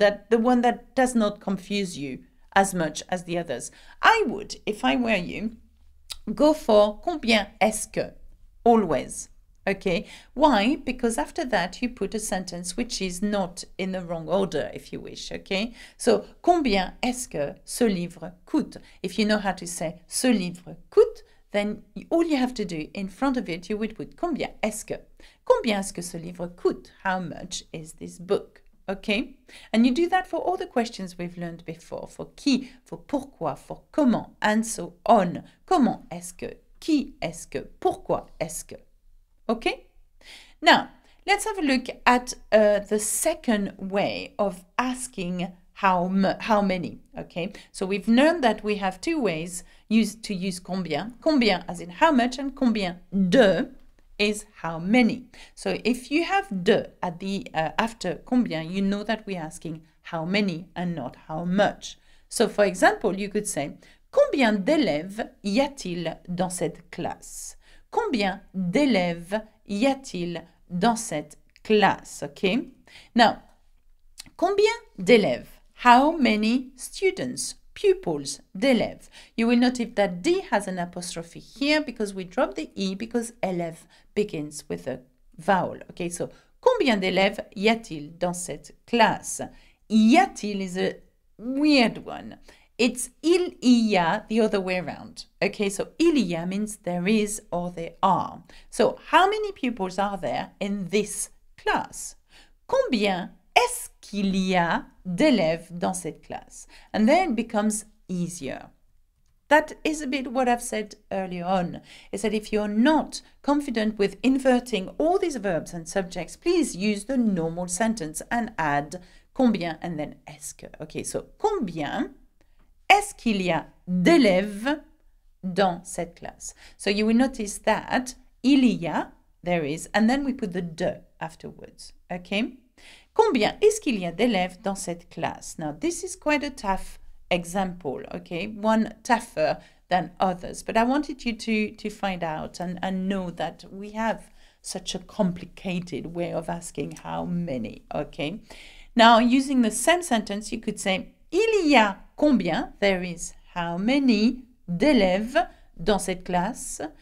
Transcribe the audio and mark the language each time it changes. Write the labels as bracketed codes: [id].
[en] That the one that does not confuse you as much as the others. I would, if I were you, go for [fr] combien est-ce que, [en] always, okay? Why? Because after that, you put a sentence which is not in the wrong order, if you wish, okay? [fr] So, combien est-ce que ce livre coûte? [en] If you know how to say [fr] ce livre coûte, [en] then all you have to do in front of it, you would put [fr] combien est-ce que. Combien est-ce que ce livre coûte? [en] How much is this book? Okay? And you do that for all the questions we've learned before. For qui, for pourquoi, for comment, and so on. [fr] Comment est-ce que, qui est-ce que, pourquoi est-ce que? [en] Okay? Now, let's have a look at the second way of asking how many, okay? So we've learned that we have two ways to use combien. Combien as in how much, and combien de is how many. So if you have de at the after combien, you know that we're asking how many and not how much. So for example, you could say, [fr] combien d'élèves y a-t-il dans cette classe? Combien d'élèves y a-t-il dans cette classe? [en] OK? Now, [fr] combien d'élèves? [en] How many students? Pupils, d'élèves. You will notice that D has an apostrophe here because we drop the E because élève begins with a vowel. [fr] Okay, so combien d'élèves y a-t-il dans cette classe? [en] Y a-t-il is a weird one. It's [fr] il y a [en] the other way around. Okay, so [fr] il y a [en] means there is or there are. So how many pupils are there in this class? [fr] Combien est-ce qu'il y a d'élèves dans cette classe? [en] And then it becomes easier. That is a bit what I've said earlier on, is that if you're not confident with inverting all these verbs and subjects, please use the normal sentence and add combien and then est-ce que. Okay, so [fr] combien est-ce qu'il y a d'élèves dans cette classe? [en] So you will notice that [fr] il y a, [en] there is, and then we put the de afterwards, okay? [fr] Combien est-ce qu'il y a d'élèves dans cette classe? [en] Now, this is quite a tough example, okay? One tougher than others. But I wanted you to find out and know that we have such a complicated way of asking how many, okay? Now, using the same sentence, you could say, [fr] il y a combien, [en] there is how many, [fr] d'élèves dans cette classe.